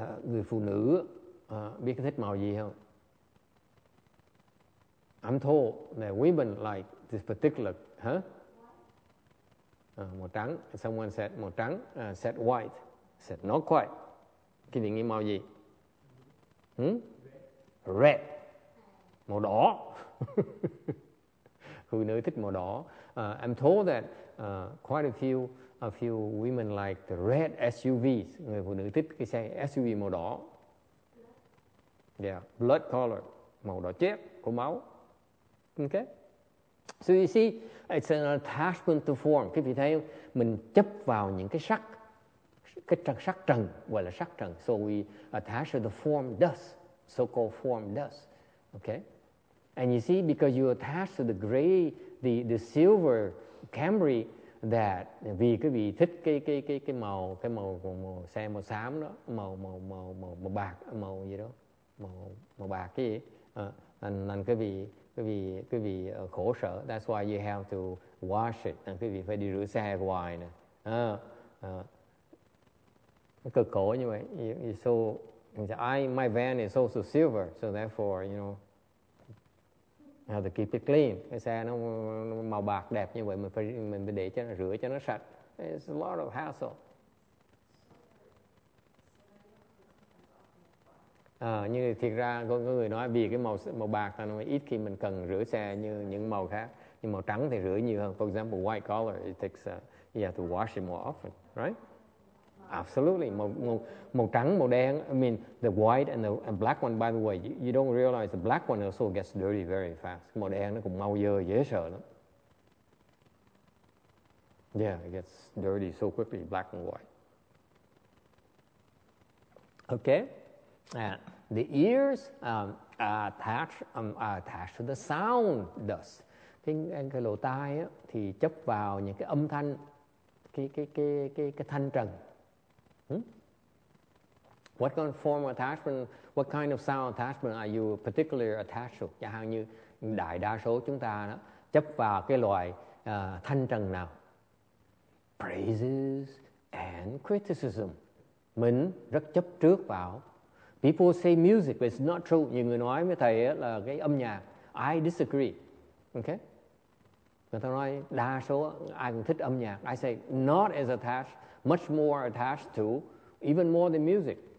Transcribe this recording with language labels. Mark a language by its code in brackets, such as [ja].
[vi] Người phụ nữ biết thích màu gì không? [en] I'm told that women like this particular, huh? [vi] Màu trắng. [en] Someone said [vi] màu trắng. [en] Said white. Said not quite. [vi] Quý vị nghĩ màu gì? Red. Màu đỏ. Phụ nữ thích màu đỏ. [en] I'm told that quite a few women like the red SUVs. [vi] Người phụ nữ thích cái xe SUV màu đỏ. [en] Yeah, blood color, [vi] màu đỏ chết của máu. [en] Okay. So you see, it's an attachment to form. [vi] Quý vị thấy không? Mình chấp vào những cái sắc, cái trần sắc trần, gọi là sắc trần. [en] So we attach to the form dust, so-called form dust. Okay. And you see, because you attach to the gray, the silver Camry, that [vi] vì quý vị thích cái màu xe màu xám đó, màu bạc, màu gì đó, màu bạc cái gì, nên quý vị khổ sở. [en] That's why you have to wash it. [vi] Nên quý vị phải đi rửa xe hoài nè. Cực khổ như vậy. [en] My van is also silver, so therefore, you know, I have to keep it clean. [vi] Cái xe nó màu bạc đẹp như vậy, mình phải để cho nó rửa cho nó sạch. [en] It's a lot of hassle. [vi] Như thiệt ra có người nói vì cái màu bạc là nó ít khi mình cần rửa xe như những màu khác. Nhưng màu trắng thì rửa nhiều hơn. [en] For example, white color, it takes you have to wash it more often, right? Absolutely. [vi] Màu trắng, màu đen. [en] I mean, the white and the black one, by the way, you don't realize the black one also gets dirty very fast. [vi] Màu đen nó cũng mau dơ, dễ sợ lắm. [en] Yeah, it gets dirty so quickly, black and white. Okay. The ears attach to the sound dust. [vi] Cái lỗ tai á, thì chấp vào những cái âm thanh, cái thanh trần. [en] What kind of form attachment? What kind of sound attachment are you particularly attached to? [vi] Chẳng hạn như đại đa số chúng ta đó, chấp vào cái loại thanh trần nào? [en] Praises and criticism. [vi] Mình rất chấp trước vào. [en] People say music, but it's not true. [vi] Nhiều người nói với thầy là cái âm nhạc. [en] I disagree. Okay? [vi] Người ta nói đa số ai cũng thích âm nhạc. [en] I say not as attached, much more attached to, even more than music.